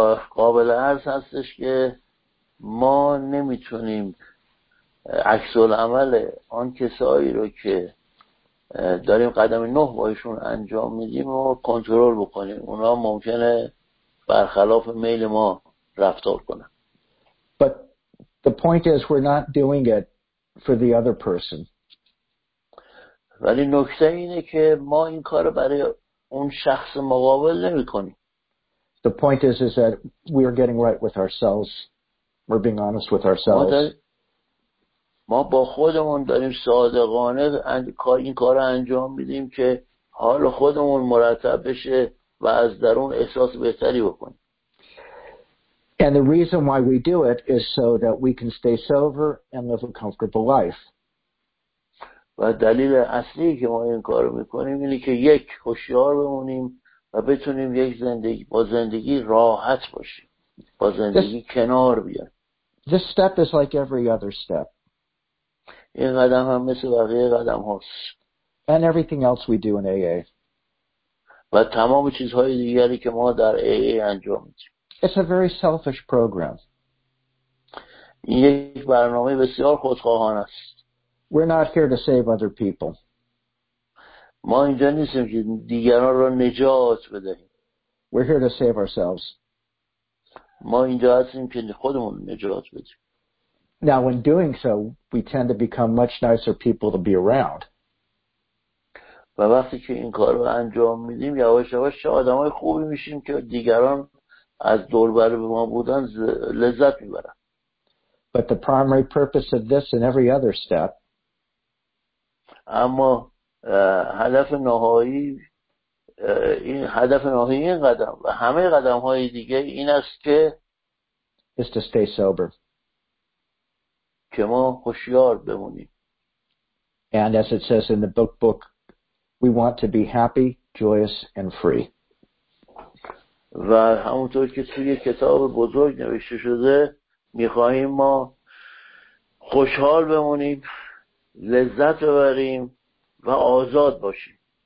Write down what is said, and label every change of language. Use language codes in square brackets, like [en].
[fa] قابل عرض هستش که ما نمیتونیم عکس العمل آن کسایی رو که داریم قدم 9 باشون انجام میدیم و کنترل بکنیم. اونا ممکنه برخلاف میل ما رفتار کنن. [en] But the point is we're not doing it for the other person. [fa] ولی نکته اینه که ما این کارو برای اون شخص مقابل نمی‌کنیم. [en] The point is that we are getting right with ourselves. We're being honest with ourselves. [fa] ما با خودمون داریم صادقانه این کارو انجام میدیم که حال خودمون مرتب بشه و از درون احساس بهتری بکنیم. [en] And the reason why we do it is so that we can stay sober and live a comfortable life. [fa] و دلیل اصلی که ما این کارو میکنیم اینه که یک هوشیار بمونیم و بتونیم یک زندگی با زندگی راحت باشیم. با زندگی کنار بیایم. [en] This step is like every other step. [fa] این قدم هم مثل بقیه قدم هاست. [en] And everything else we do in AA. [fa] و تمام چیزهای دیگری که ما در AA انجام میدیم. [en] It's a very selfish program. [fa] یک برنامه بسیار خودخواهانه است. [en] We're not here to save other people. [fa] ما اینجا نیستیم که دیگران رو نجات بدهیم. [en] We're here to save ourselves. [fa] ما اینجا هستیم که خودمون نجات بدیم. [en] Now, in doing so, we tend to become much nicer people to be around. [fa] و وقتی که این کار رو انجام میدیم، یواش یواش آدمای خوبی میشیم که دیگران از دوربر به ما بودن لذت میبرن. [en] But the primary purpose of this and every other step, [fa] اما هدف نهایی این قدم و همه قدم های دیگه این است که [en] is to stay sober. [fa] که ما هوشیار بمونیم. [en] And as it says in the book, we want to be happy, joyous and free. [fa] و همونطور که توی کتاب بزرگ نوشته شده میخواهیم ما خوشحال بمونیم، لذت ببریم و آزاد باشیم.